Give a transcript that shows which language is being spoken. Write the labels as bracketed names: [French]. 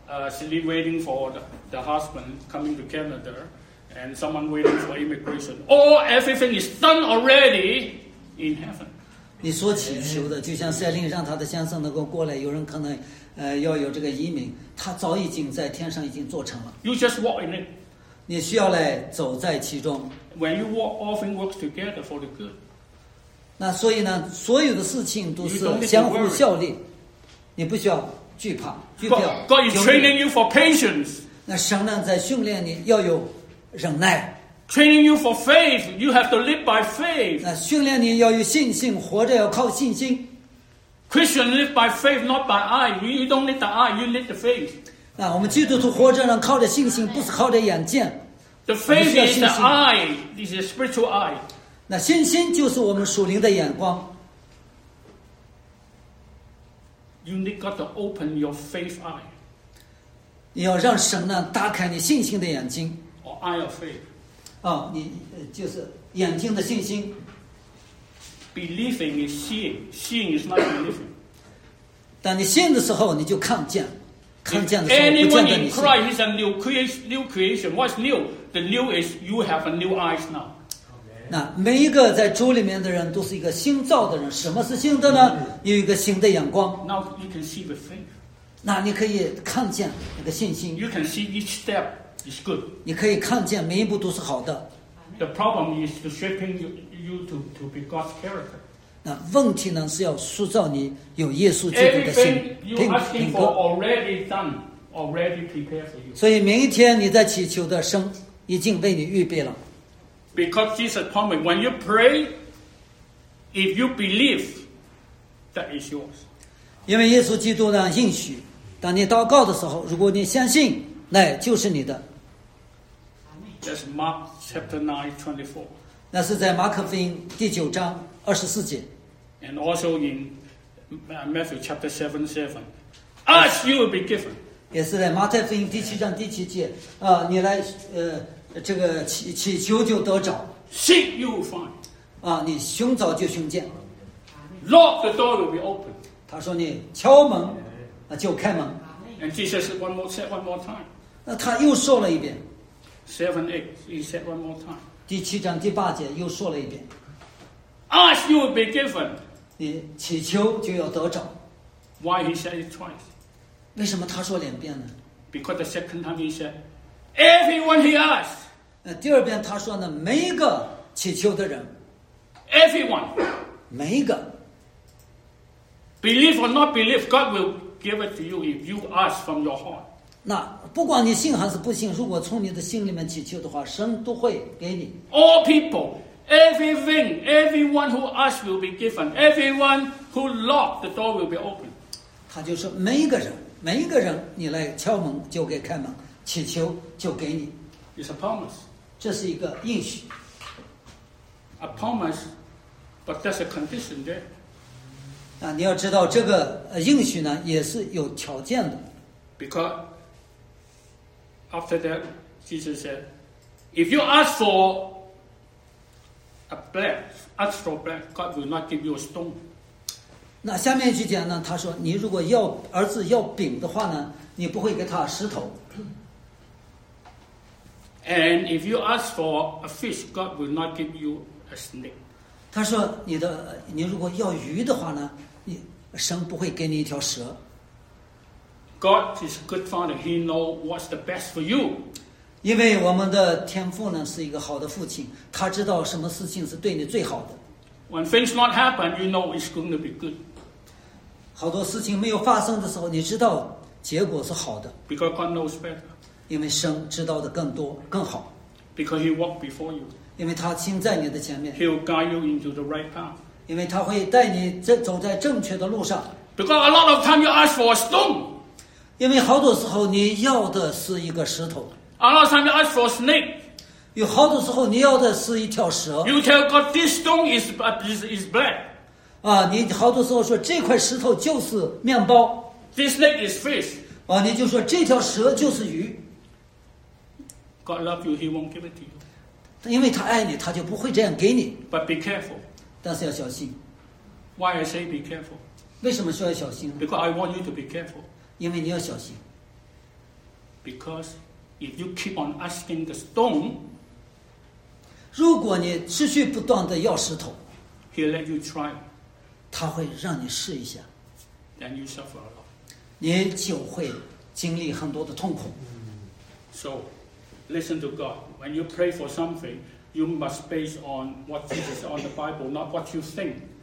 [English] Silly waiting for the husband coming to Canada, and someone waiting for immigration. All everything is done already in heaven. [Chinese] 你所祈求的，就像塞琳让他的先生能够过来，有人可能要有这个移民，他早已经在天上已经做成了。 [English] You just walk in it. [Chinese] 你需要来走在其中。 [English] When you walk, all things work together for the good. [Chinese] 那所以呢，所有的事情都是相互效力，你不需要惧怕、惧怕。 [English] God is training you for patience. [Chinese] 那神呢，在训练你要有忍耐。 [English] Training you for faith, you have to live by faith. [Chinese] 那训练你要有信心，活着要靠信心。 [English] Christian live by faith, not by eye. You don't need the eye, you need the faith. [Chinese] 那我们基督徒活着呢，靠着信心，不是靠着眼见。 [English] The faith is the eye, is the spiritual eye. [Chinese] 那信心就是我们属灵的眼光。 [English] You need God to open your faith eye. [Chinese] 你要让神呢打开你信心的眼睛。 [English] Or eye of faith. [Chinese] 你就是眼睛的信心。 [English] Believing is seeing, seeing is not believing. [Chinese] 当你信的时候，你就看见，看见的时候不见得你信。 [English] Anyone in Christ is a new creation. What's new? The new is you have a new eyes now. [Chinese] 那每一个在主里面的人都是一个新造的人。什么是新的呢？有一个新的眼光。 [English] Now you can see the faith. [Chinese] 那你可以看见那个信心。 [English] You can see each step. It's good. [Chinese] 你可以看见每一步都是好的。 [English] The problem is to shaping you to be God's character. [Chinese] 那问题呢是要塑造你有耶稣基督的心品格。 [English] Everything you're asking for already done, already prepared for you. [Chinese] 所以明天你在祈求的神已经为你预备了。 [English] Because Jesus promised, when you pray, if you believe, that is yours. [Chinese] 因为耶稣基督呢应许，当你祷告的时候，如果你相信。那就是你的。 [English] That's Mark chapter 9:24. [Chinese] 那是在马可福音第九章二十四节。 [English] And also in Matthew chapter 7:7, ask you will be given. [Chinese] 也是在马太福音第七章第七节，你来这个祈求就得着。 [English] Seek you will find. [Chinese] 你寻找就寻见。 [English] Lock the door will be open. [Chinese] 他说你敲门，就开门。 [English] And Jesus said one more time. [Chinese] 那他又说了一遍。 [English] 7:8, he said one more time. [Chinese] 第七章第八节又说了一遍。 [English] Ask, you will be given. [Chinese] 你祈求就要得着。 [English] Why he said it twice? [Chinese] 为什么他说两遍呢？ [English] Because the second time he said, everyone he asked. [Chinese] 第二遍他说呢，每一个祈求的人。 [English] Everyone. [Chinese] 每一个。 [English] Believe or not believe, God will. Give it to you if you ask from your heart. [Chinese] 那不管你信还是不信，如果从你的心里面祈求的话，神都会给你。 [English] All people, everything, everyone who asks will be given. Everyone who lock the door will be open. [Chinese] 他就说每一个人，每一个人，你来敲门就给开门，祈求就给你。 [English] It's a promise. [Chinese] 这是一个应许。 [English] A promise, but there's a condition there. [Chinese] 你要知道这个应许呢也是有条件的。 [English] Because after that, Jesus said, if you ask for a bread, ask for bread, God will not give you a stone. [Chinese] 那下面一句讲呢，他说，你如果要儿子要饼的话呢，你不会给他石头。 [English] And if you ask for a fish, God will not give you a snake. [Chinese] 他说，你如果要鱼的话呢？神不会给你一条蛇。 [English] God is a good father. He knows what's the best for you. [Chinese] 因为我们的天父呢是一个好的父亲，他知道什么事情是对你最好的。 [English] When things not happen, you know it's going to be good. [Chinese] 好多事情没有发生的时候，你知道结果是好的。 [English] Because God knows better. [Chinese] 因为神知道的更多更好。 [English] Because He walked before you. [Chinese] 因为他行在你的前面。 [English] He'll guide you into the right path. [Chinese] 因为他会带你走在正确的路上。 [English] Because a lot of time you ask for a stone. [Chinese] 因为好多时候你要的是一个石头。 [English] A lot of time you ask for a snake. [Chinese] 有好多时候你要的是一条蛇。 [English] You tell God this stone is bread. [Chinese] 你好多时候说这块石头就是面包。 [English] This snake is fish. [Chinese] 你就说这条蛇就是鱼。 [English] God loves you, He won't give it to you. [Chinese] 因为他爱你，他就不会这样给你。 [English] But be careful. [Chinese] 但是要小心。 [English] Why I say be careful? [Chinese] 为什么说要小心呢？ [English] Because I want you to be careful. [Chinese] 因为你要小心。 [English] Because if you keep on asking the stone, [Chinese] 如果你持续不断的要石头， [English] He'll let you try. [Chinese] 他会让你试一下。 [English] Then you suffer a lot. [Chinese] 你就会经历很多的痛苦。 [English] So, listen to God. When you pray for something, you must base on what Jesus on the Bible, not what you think.